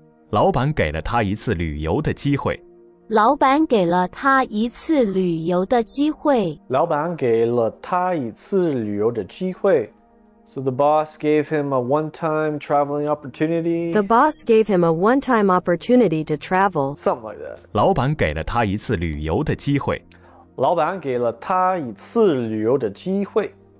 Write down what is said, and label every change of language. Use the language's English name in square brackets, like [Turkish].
[Chinese] 老板给了他一次旅游的机会。老板给了他一次旅游的机会。老板给了他一次旅游的机会。 [English] So the boss gave him a one-time traveling opportunity. The boss gave him a one-time opportunity to travel. Something like that. [Chinese] 老板给了他一次旅游的机会。老板给了他一次旅游的机会。